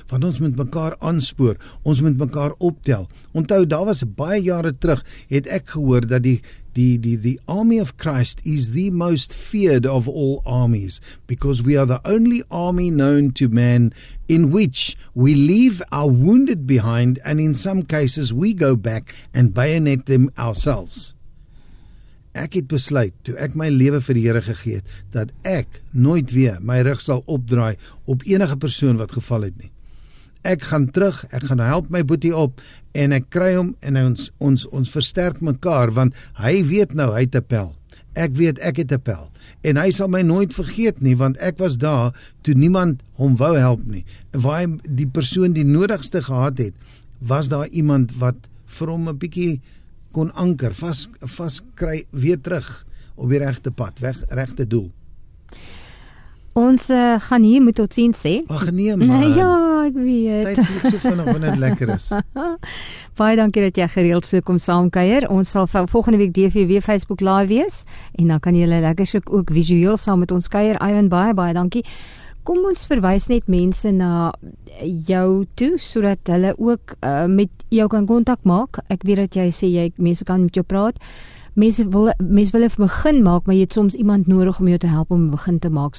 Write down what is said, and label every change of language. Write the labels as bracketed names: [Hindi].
[Afrikaans] Want ons moet mekaar aanspoor, ons moet mekaar optel. Onthou, daar was baie jare terug, het ek gehoor dat [English] the army of Christ is the most feared of all armies, because we are the only army known to man in which we leave our wounded behind and in some cases we go back and bayonet them ourselves. [Afrikaans] Ek het besluit, toe ek my lewe vir die Here gegee het, dat ek nooit weer my rug sal opdraai op enige persoon wat geval het nie. Ek gaan terug, ek gaan help my boetie op en ek kry hom en ons versterk mekaar, want hy weet nou, hy het 'n pel. Ek weet, ek het 'n pel. En hy sal my nooit vergeet nie, want ek was daar toe niemand hom wou help nie. Waar die persoon die nodigste gehad het, was daar iemand wat vir hom 'n bietjie kon anker, vaskry weer terug op die regte pad, weg regte doel. Ons gaan hier moet tot sien sê. Ag nee man. Nee, ja, ek weet. Tyd vlieg so vinnig, lekker is. Baie dankie dat jy gereeld so kom saamkuier. Ons sal volgende week DVW Facebook live wees en dan kan julle lekker so ook visueel saam met ons kuier. Ivan, baie dankie. Kom ons verwys net mense na jou toe, sodat hulle ook met jou kan kontak maak. Ek weet dat jy sê, jy mense kan met jou praat. Mense wil een begin maak, maar jy het soms iemand nodig om jou te help om een begin te maak.